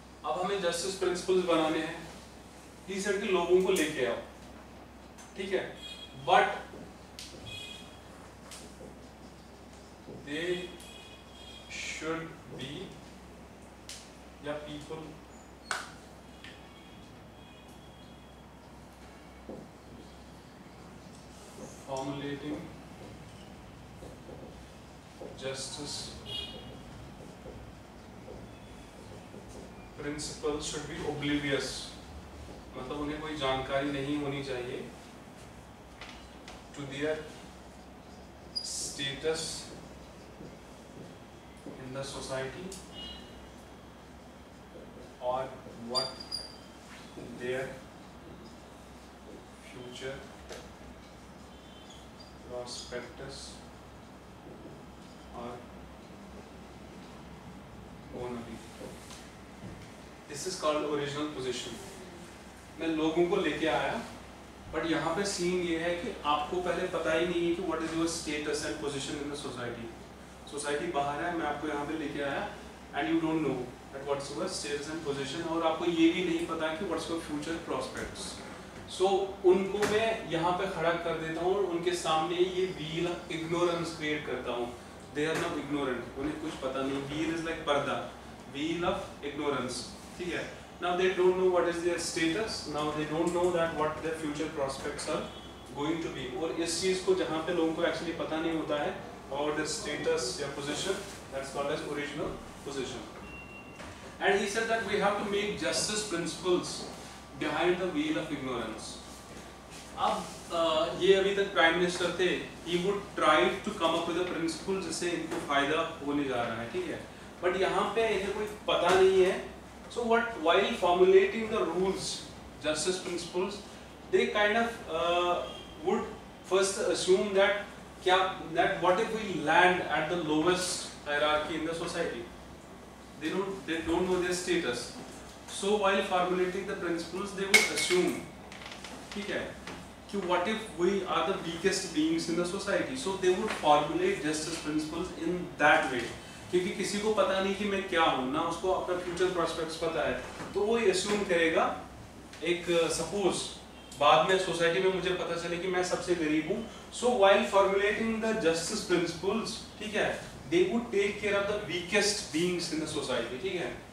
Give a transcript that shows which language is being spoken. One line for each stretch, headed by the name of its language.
Hindi: अब हमें justice principles बनाने हैं. He said कि लोगों को लेके आओ. ठीक है.
English: But they should be या people formulating justice principles should be oblivious.
Hindi: मतलब उन्हें कोई जानकारी नहीं होनी चाहिए
English: to their status in the society or what their future prospectus are going to be. This is called original position.
Hindi: मैं लोगों को लेके आया बट यहाँ पे सीन ये है कि आपको पहले पता ही नहीं है कि
English: what is your status and position in the society.
Hindi: Society बाहर है, मैं आपको यहाँ पे लेके आया
English: and you don't know that what's your status and position
Hindi: और आपको ये भी नहीं पता कि
English: what's your future prospects.
Hindi: So उनको मैं यहाँ पे खड़ा कर देता हूँ और उनके सामने ये wheel of ignorance create करता हूँ.
English: They are now ignorant.
Hindi: उन्हें कुछ पता नहीं.
English: Wheel is like पर्दा. Wheel of ignorance. Now they don't know what is their status. Now they don't know that what their future prospects are going to be.
Hindi: और इस चीज को जहाँ पे लोगों को actually पता नहीं होता है
English: about their status
Hindi: या position,
English: that's called as original position. And he said that we have to make justice principles behind the veil of ignorance.
Hindi: अब ये अभी तक prime minister थे,
English: he would try to come up with a principle
Hindi: जिससे इनको फायदा होने जा रहा है. ठीक है. But यहाँ पे इन्हें कोई पता नहीं है.
English: So what, while formulating the rules, justice principles, they kind of would first assume that kya, that what if we land at the lowest hierarchy in the society? They don't know their status. So while formulating the principles, they would assume, ठीक है, कि what if we are the weakest beings in the society? So they would formulate justice principles in that way.
Hindi: क्योंकि किसी को पता नहीं कि मैं क्या हूँ, ना उसको अपना future prospects पता है, तो वो assume करेगा, एक suppose बाद में सोसाइटी में मुझे पता चले कि मैं सबसे गरीब हूँ,
English: so while formulating the justice principles, ठीक है, they would take care of the weakest beings in the society,
Hindi: ठीक है?